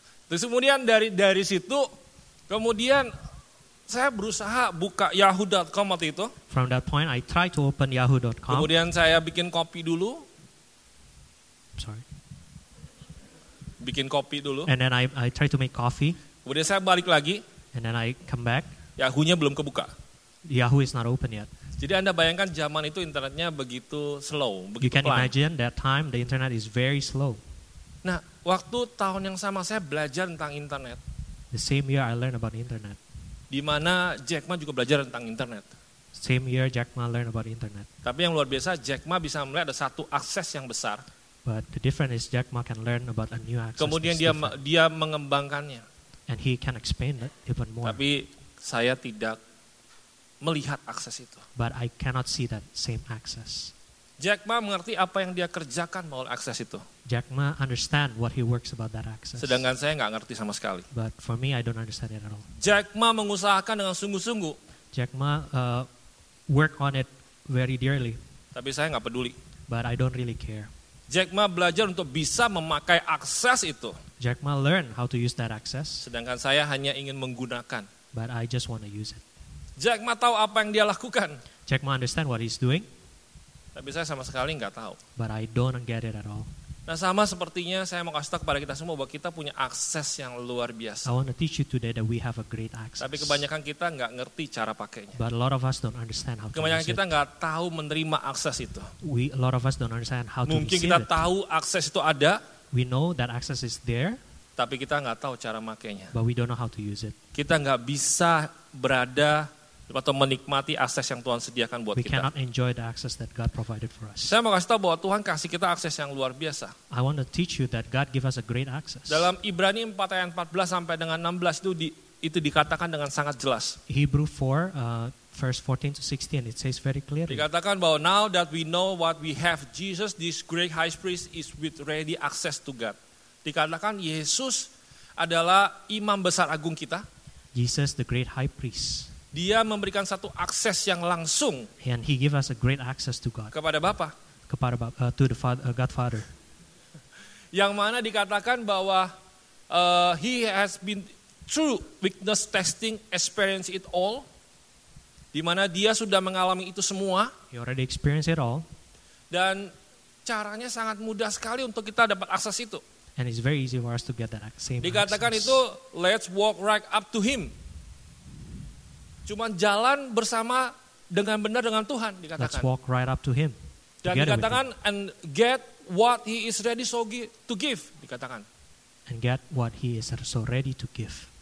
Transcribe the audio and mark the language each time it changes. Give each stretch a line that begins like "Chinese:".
Indonesian: Terus kemudian dari situ, kemudian saya berusaha buka yahoo.com waktu itu.
English: From that point, I try to open yahoo.com.
Indonesian: Kemudian saya bikin copy dulu.
English: Sorry.
Indonesian: Bikin copy dulu.
English: And then I try to make coffee.
Indonesian: Kemudian saya balik lagi.
English: And then I come back.
Indonesian: Yahoo-nya belum kebuka.
English: Yahoo is not open yet.
Indonesian: Jadi Anda bayangkan zaman itu internetnya begitu slow, begitu
English: You can imagine that time the internet is very slow.
Indonesian: Nah, waktu tahun yang sama saya belajar tentang internet.
English: The same year I learned about internet.
Indonesian: Di mana Jack Ma juga belajar tentang internet.
English: Same year Jack Ma learned about internet.
Indonesian: Tapi yang luar biasa, Jack Ma bisa melihat ada satu akses yang besar.
English: But the difference is Jack Ma can learn about a new access.
Indonesian: Kemudian dia mengembangkannya.
English: And he can expand it even more.
Indonesian: Tapi saya tidak melihat akses itu.
English: But I cannot see that same access.
Indonesian: Jack Ma mengerti apa yang dia kerjakan melalui akses itu.
English: Jack Ma understand what he works about that access.
Indonesian: Sedangkan saya enggak ngerti sama sekali.
English: But for me, I don't understand it at all.
Indonesian: Jack Ma mengusahakan dengan sungguh-sungguh.
English: Jack Ma work on it very dearly.
Indonesian: Tapi saya enggak peduli.
English: But I don't really care.
Indonesian: Jack Ma belajar untuk bisa memakai akses itu.
English: Jack Ma learn how to use that access.
Indonesian: Sedangkan saya hanya ingin menggunakan.
English: But I just want to use it.
Indonesian: Jack Ma tahu apa yang dia lakukan.
English: Jack Ma understand what he's doing.
Indonesian: Tapi saya sama sekali enggak tahu.
English: But I don't get it at all.
Indonesian: Nah, sama sepertinya saya mau kasih tahu kepada kita semua bahwa kita punya akses yang luar biasa.
English: I want to teach you today that we have a great access.
Indonesian: Tapi kebanyakan kita enggak ngerti cara pakainya.
English: But a lot of us don't understand how.
Indonesian: Kebanyakan kita enggak tahu menerima akses itu.
English: A lot of us don't understand how to receive it.
Indonesian: Mungkin kita tahu akses itu ada.
English: We know that access is there.
Indonesian: Tapi kita enggak tahu cara makainya.
English: But we don't know how to use it.
Indonesian: Kita enggak bisa berada atau menikmati akses yang Tuhan sediakan buat
English: we
Indonesian: kita.
English: We cannot enjoy the access that God provided for us.
Indonesian: Saya mau kasih tahu bahwa Tuhan kasih kita akses yang luar biasa.
English: I want to teach you that God give us a great access.
Indonesian: Dalam Ibrani 4 ayat 14 sampai dengan 16 itu dikatakan dengan sangat jelas.
English: Hebrew 4 verse 14 to 16 it says very clearly.
Indonesian: Dikatakan bahwa
English: now that we know what we have, Jesus this great high priest is with ready access to God.
Indonesian: Dikatakan Yesus adalah imam besar agung kita.
English: Jesus the great high priest.
Indonesian: Dia memberikan satu akses yang langsung.
English: And he give us a great access to God.
Indonesian: Kepada Bapa. Kepada Bapa,
English: to the Father, Godfather.
Indonesian: Yang mana dikatakan bahwa
English: he has been through witness testing, experience it all.
Indonesian: Di mana dia sudah mengalami itu semua.
English: He already experienced it all.
Indonesian: Dan caranya sangat mudah sekali untuk kita dapat akses itu.
English: And it's very easy for us to get that same access.
Indonesian: Dikatakan itu,
English: let's walk right up to him.
Indonesian: Cuman jalan bersama dengan benar dengan Tuhan dikatakan.
English: Let's walk right up to him.
Indonesian: Dan dikatakan
English: and get what he is ready so to give
Indonesian: dikatakan.
English: And get what he is so ready to give.